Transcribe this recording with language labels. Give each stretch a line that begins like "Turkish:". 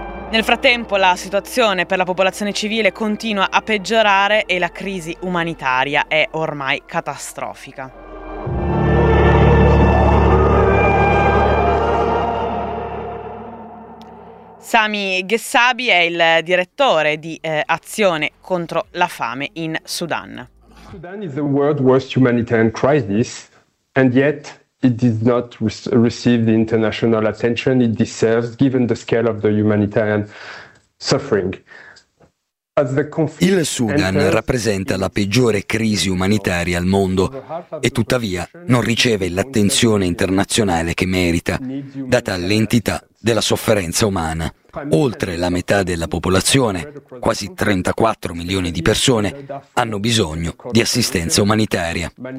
Italian: Nel frattempo la situazione per la popolazione civile continua a peggiorare e la crisi umanitaria è ormai catastrofica. Sami Gessabi è il direttore di Azione contro la fame in Sudan.
English: Sudan is the world's worst humanitarian crisis and yet it did not receive the international attention it deserves given the scale of the humanitarian suffering.
Italian: Il Sudan rappresenta la peggiore crisi umanitaria al mondo e tuttavia non riceve l'attenzione internazionale che merita, data l'entità della sofferenza umana. Oltre la metà della popolazione, quasi 34 milioni di persone, hanno bisogno di assistenza umanitaria.